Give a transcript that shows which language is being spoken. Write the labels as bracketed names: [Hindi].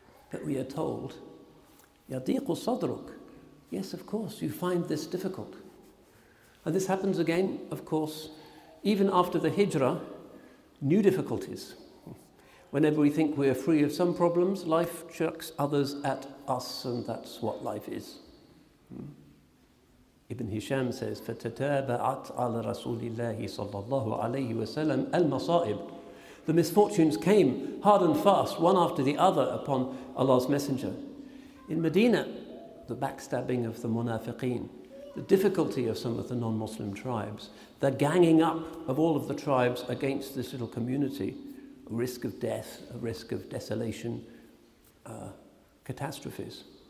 [English] But we are told, [Arabic] يَضِيقُ صَدْرُكُ, [English] yes, of course, you find this difficult. And this happens again, of course, even after the Hijrah, new difficulties. Whenever we think we are free of some problems, life chucks others at us, and that's what life is. Ibn Hisham says, [Arabic] فَتَتَابَعَتْ عَلَى رَسُولِ اللَّهِ صَلَّى اللَّهُ عَلَيْهِ وَسَلَّمَ الْمَصَائِبِ. [English] The misfortunes came hard and fast, one after the other, upon Allah's Messenger. In Medina, the backstabbing of the munafiqeen, the difficulty of some of the non-Muslim tribes, the ganging up of all of the tribes against this little community, a risk of death, a risk of desolation, catastrophes.